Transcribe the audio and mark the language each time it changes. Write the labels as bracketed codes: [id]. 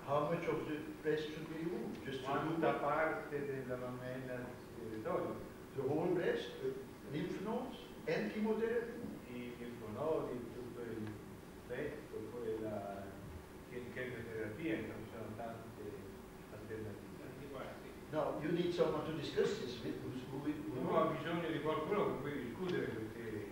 [en] how much of the breast should be removed? [it] Just quanta parte della mammella si deve togliere? [en] The whole breast, lymph nodes, and chemotherapy? [it] I lymph nodi, tutto il petto, poi la chemioterapia, non sono tante alternative. [en] No, you need someone to discuss this with [it] uno ha bisogno di qualcuno con cui discutere queste